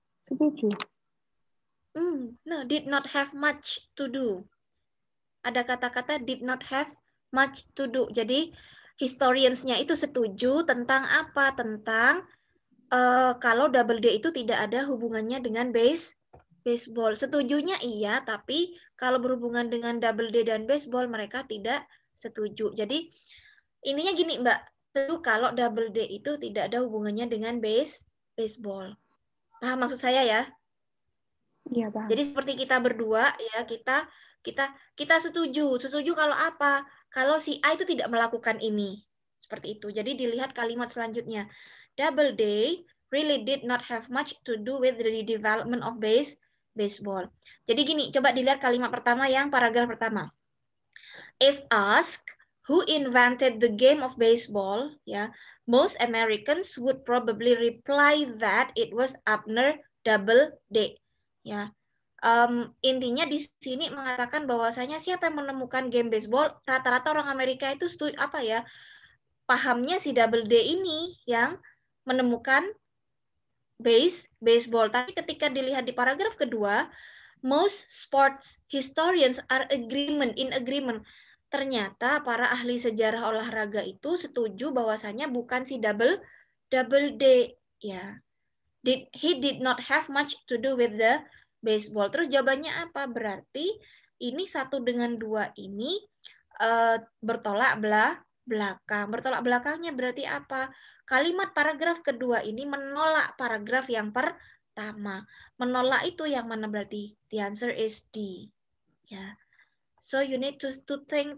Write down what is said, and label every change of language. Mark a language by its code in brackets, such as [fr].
[id] Setuju. [en] No, did not have much to do. [id] Ada kata-kata [en] did not have much to do. [id] Jadi historians-nya itu setuju tentang apa? Tentang kalau double D itu tidak ada hubungannya dengan baseball. Setujunya iya, tapi kalau berhubungan dengan double D dan baseball, mereka tidak setuju. Jadi, ininya gini, Mbak. Setuju kalau double D itu tidak ada hubungannya dengan baseball. Paham maksud saya ya? Iya, paham. Jadi seperti kita berdua, ya kita setuju. Setuju kalau apa? Kalau si A itu tidak melakukan ini. Seperti itu. Jadi dilihat kalimat selanjutnya. [en] Double day really did not have much to do with the development of baseball. [id] Jadi gini, coba dilihat kalimat pertama yang paragraf pertama. [en] If asked who invented the game of baseball, yeah, most Americans would probably reply that it was Abner Double D. Yeah. [id] Intinya di sini mengatakan bahwasanya siapa yang menemukan game baseball, rata-rata orang Amerika itu setuju, apa ya, pahamnya si Double D ini yang menemukan baseball. Tapi ketika dilihat di paragraf kedua, [en] most sports historians are in agreement. [id] Ternyata para ahli sejarah olahraga itu setuju bahwasanya bukan si Double D, ya. [en] He did not have much to do with the baseball. [id] Terus jawabannya apa? Berarti ini satu dengan dua ini bertolak belakang. Bertolak belakangnya berarti apa? Kalimat paragraf kedua ini menolak paragraf yang pertama. Menolak itu yang mana berarti? [en] The answer is D. Yeah. So you need to think.